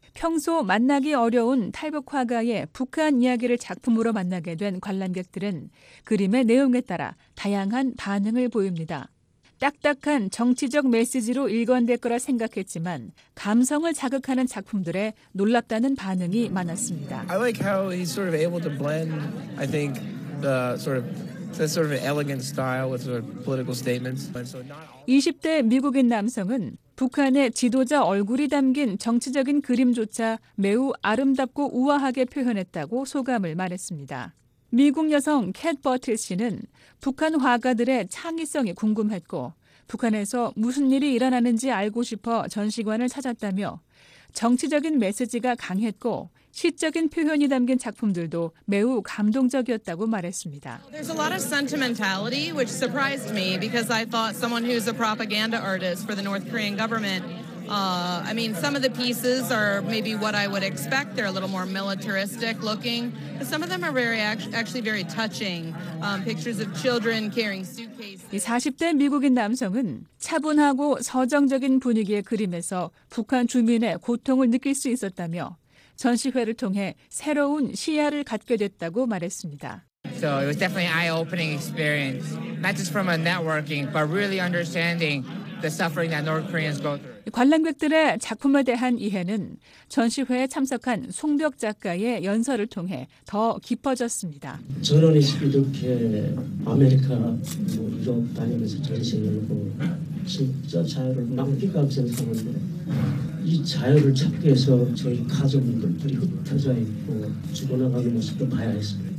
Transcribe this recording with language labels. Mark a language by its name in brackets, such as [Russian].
[Korean] 평소 만나기 어려운 탈북 화가의 북한 이야기를 작품으로 만나게 된 관람객들은 그림의 내용에 따라 다양한 반응을 보입니다. 딱딱한 정치적 메시지로 일관될 거라 생각했지만 감성을 자극하는 작품들에 놀랍다는 반응이 많았습니다. [English] I like how he's sort of able to blend, I think, the sort of that sort of an elegant style with sort of political statements. [Korean] 20대 미국인 남성은 북한의 지도자 얼굴이 담긴 정치적인 그림조차 매우 아름답고 우아하게 표현했다고 소감을 말했습니다. 미국 여성 캣 버틀 씨는 북한 화가들의 창의성이 궁금했고 북한에서 무슨 일이 일어나는지 알고 싶어 전시관을 찾았다며 정치적인 메시지가 강했고 시적인 표현이 담긴 작품들도 매우 감동적이었다고 말했습니다. [English] There's a lot of sentimentality which surprised me because I thought someone who's a propaganda artist for the North Korean government some of the pieces are maybe what I would expect. They're a little more militaristic looking. But some of them are very actually very touching. Pictures of children carrying suitcases. [Korean] 40대 미국인 남성은 차분하고 서정적인 분위기의 그림에서 북한 주민의 고통을 느낄 수 있었다며 전시회를 통해 새로운 시야를 갖게 됐다고 말했습니다. [English] So it was definitely an eye-opening experience. Not just from a networking, but really understanding the suffering that North Koreans go through. [Korean] 관람객들의 작품에 대한 이해는 전시회에 참석한 송덕 작가의 연설을 통해 더 깊어졌습니다. 저는 이렇게 아메리카, 뭐 유럽 다니면서 전시회를 보고 진짜 자유를 만끽하고 생각하는데 이 자유를 찾기 위해서 저희 가족들 뿌리 흩어져 있고 죽어나가는 모습도 봐야 했습니다.